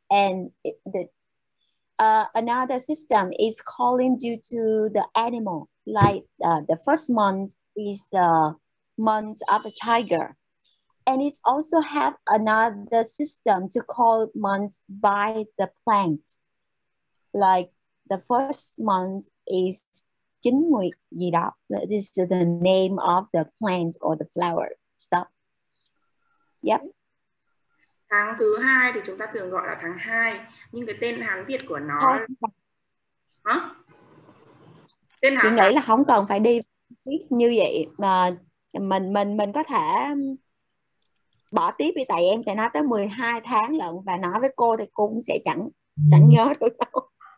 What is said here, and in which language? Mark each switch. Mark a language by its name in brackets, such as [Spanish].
[English] And another system is calling due to the animal, like the first month is the month of the tiger. And it's also have another system to call months by the plant. Like the first month is [Vietnamese] chính mùi gì đó. [English] This is the name of the plant or the flower stuff. Yep. [Vietnamese] Tháng thứ hai thì chúng ta thường gọi là tháng hai, nhưng cái tên Hán Việt của nó tên Hán. Chị nghĩ là không cần phải đi như vậy mà mình có thể bỏ tiếp đi, tại em sẽ nói tới 12 tháng lận và nói với cô thì cô cũng sẽ chẳng nhớ được đâu.